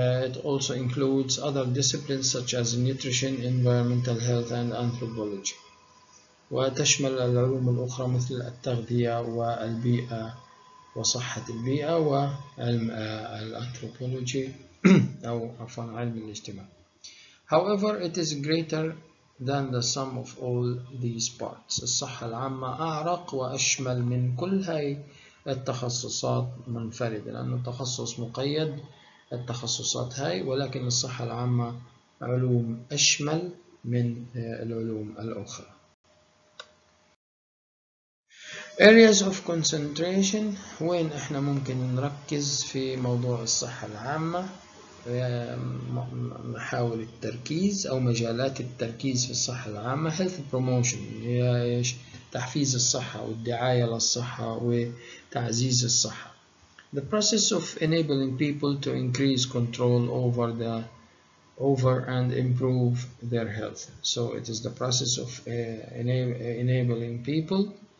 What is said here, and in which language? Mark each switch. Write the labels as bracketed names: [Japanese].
[English] It also includes other disciplines such as nutrition, environmental health and anthropology، [Arabic] وتشمل العلوم الأخرى مثل التغذية والبيئة وصحة البيئة وعلم الأنثروبولوجي أو عفوا علم الاجتماع. [English] However, it is greater than the sum of all these parts. [Arabic] الصحة العامة أعرق وأشمل من كل هاي التخصصات منفردة، لأنه التخصص مقيد التخصصات هاي، ولكن الصحة العامة علوم أشمل من العلوم الأخرى. [English] Areas of concentration، [Arabic] وين احنا ممكن نركز في موضوع الصحة العامة؟ محاول التركيز أو مجالات التركيز في الصحة العامة. Health Promotion هي إيش؟ تحفيز الصحة والدعاية للصحة وتعزيز الصحة. [English] The process of enabling people to increase control over and improve their health. So it is the process of enabling people.